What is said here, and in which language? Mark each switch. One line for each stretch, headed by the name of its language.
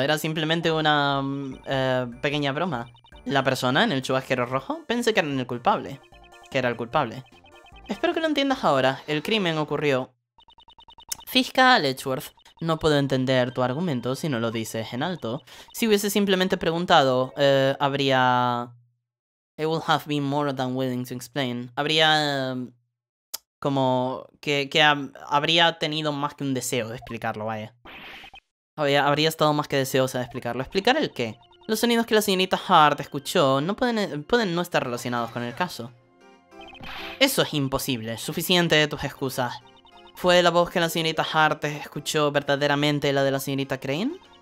Spanish: Era simplemente una pequeña broma. La persona en el chubasquero rojo, pensé que era el culpable. Que era el culpable. Espero que lo entiendas ahora. El crimen ocurrió. Fiscal Edgeworth. No puedo entender tu argumento si no lo dices en alto. Si hubiese simplemente preguntado, habría.
English: It would have been more than willing to explain.
Spanish: Habría. Como. Habría tenido más que un deseo de explicarlo, vaya. Habría estado más que deseosa de explicarlo. ¿Explicar el qué? Los sonidos que la señorita Hart escuchó no pueden no estar relacionados con el caso. Eso es imposible. Suficiente de tus excusas. ¿Fue la voz que la señorita Hart escuchó verdaderamente la de la señorita Crane?